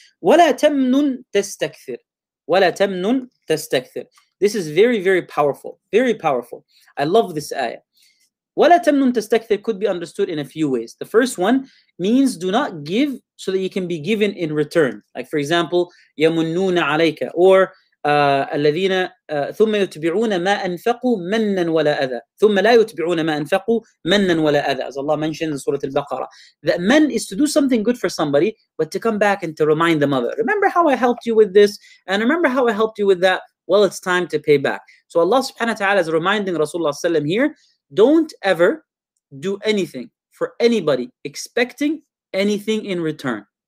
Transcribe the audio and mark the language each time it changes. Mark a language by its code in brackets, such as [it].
[ar] وَلَا تَمْنُن تَسْتَكْثِرْ. وَلَا تَمْنُن تَسْتَكْثِرْ. [en] This is very, very powerful. Very powerful. I love this ayah. [ar] وَلَا تَمْنُن تَسْتَكْثِرْ [en] could be understood in a few ways. The first one means do not give so that you can be given in return. Like for example, [ar] يَمُنُّونَ عَلَيْكَ or الَّذِينَ ثُمَّ يُتْبِعُونَ مَا أَنْفَقُوا مَنًّا وَلَا أَذَى ثُمَّ لَا يُتْبِعُونَ مَا أَنْفَقُوا مَنًّا وَلَا أَذَى. [en] As Allah mentioned in Surah Al-Baqarah, that man is to do something good for somebody, but to come back and to remind them of it. Remember how I helped you with this, and remember how I helped you with that. Well, it's time to pay back. So Allah subhanahu wa ta'ala is reminding Rasulullah sallam here, don't ever do anything for anybody expecting anything in return.